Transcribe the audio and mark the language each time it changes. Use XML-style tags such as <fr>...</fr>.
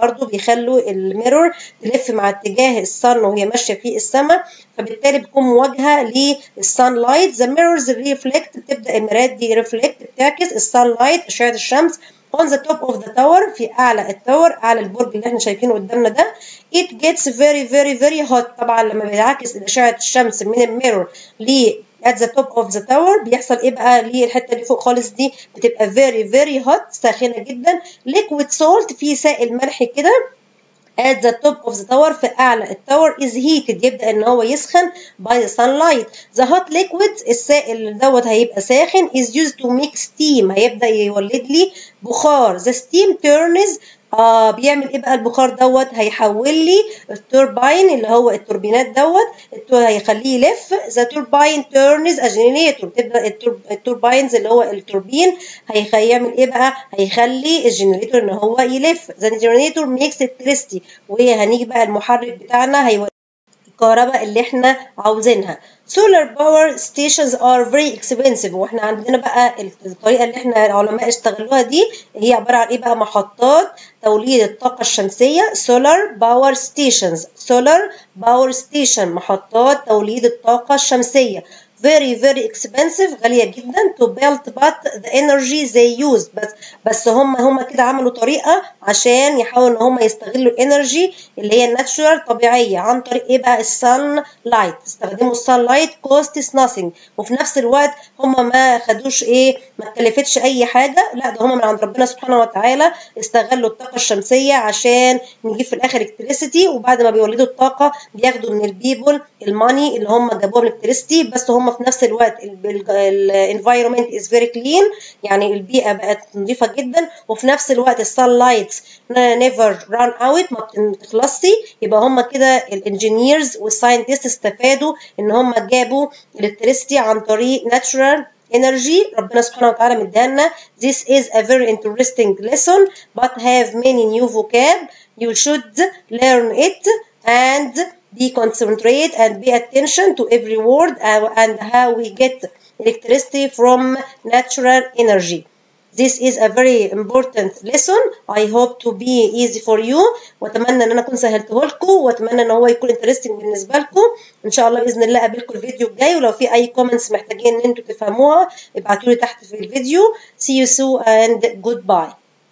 <ar>برضو بيخلوا الميرور تلف مع اتجاه السن وهي ماشيه في السماء فبالتالي بتكون مواجهه للسان لايت.</ar> <en>The mirrors reflect</en> <ar>بتبدا المرايات دي reflect بتعكس السان لايت اشعه الشمس</ar> <en>on the top of the tower</en> <ar>في اعلى التاور اعلى البرج اللي احنا شايفينه قدامنا ده.</ar> <en>It gets very very very hot.</en> <ar>طبعا لما بيعكس اشعه الشمس من الميرور ل</ar> <en>at the top of the tower</en> <ar>بيحصل ايه بقى للحته اللي فوق خالص دي بتبقى</ar> <en>very very hot</en> <ar>ساخنه جدا.</ar> <en>Liquid salt</en> <ar>في سائل ملح كده</ar> <en>at the top of the tower</en> <ar>في اعلى التاور</ar> <en>is heated</en> <ar>يبدا ان هو يسخن</ar> <en>by the sunlight. The hot liquid</en> <ar>السائل دوت هيبقى ساخن</ar> <en>is used to make steam</en> <ar>هيبدا يولد لي بخار.</ar> <en>The steam turns</en> <ar>بيعمل ايه بقى البخار دوت؟ هيحول لي التوربين اللي هو التوربينات دوت، هيخليه يلف.</ar> <en>the turbine turns الجنريتور،</en> <ar>تبدا التوربينز اللي هو التوربين هيعمل ايه بقى؟ هيخلي الجنريتور ان هو يلف.</ar> <en>the generator makes electricity,</en> <ar>وهي هنيجي بقى المحرك بتاعنا هيوري الكهرباء اللي احنا عاوزينها.</ar> <en>Solar power stations are very expensive.</en> <ar>واحنا عندنا بقى الطريقة اللي احنا العلماء اشتغلوها دي هي عبارة عن ايه بقى؟ محطات توليد الطاقة الشمسية.</ar> <en>Solar power stations. Solar power station.</en> <ar>محطات توليد الطاقة الشمسية.</ar> <en>Very very expensive.</en> <ar>غالية جدا.</ar> <en>To build but the energy they use.</en> <ar>بس هم كده عملوا طريقة عشان يحاولوا ان هم يستغلوا energy اللي هي natural طبيعية عن طريق ايه بقى؟ sunlight.</ar> <en>استخدموا sunlight cost is nothing.</en> <ar>وفي نفس الوقت هم ما خدوش ايه؟ ما تكلفتش اي حاجة. لا ده هم من عند ربنا سبحانه وتعالى استغلوا الطاقة الشمسية عشان نجيب في الاخر electricity. وبعد ما بيولدوا الطاقة بياخدوا من البيبل الماني اللي هم جابوها من electricity. بس هم في نفس الوقت الـ</ar> <en>environment is very clean،</en> <ar>يعني البيئة بقت نظيفة جدا. وفي نفس الوقت</ar> <en>sunlight never run out،</en> <ar>ما بتخلصي. يبقى هم كده الـ engineers والـ scientists استفادوا ان هم جابوا electricity عن طريق</ar> <en>natural energy</en> <ar>ربنا سبحانه وتعالى مدهنا.</ar> <en>This is a very interesting lesson but have many new vocab. You should learn it and be concentrate and be attention to every word and how we get electricity from natural energy. This is a very important lesson. I hope to be easy for you.</en> <ar>واتمنى ان انا اكون سهلته لكم، واتمنى ان هو يكون interesting بالنسبه لكم. ان شاء الله باذن الله اقابلكم الفيديو الجاي، ولو في اي comments محتاجين ان انتم تفهموها ابعتوا لي تحت في الفيديو.</ar> <en>See you soon and goodbye.</en>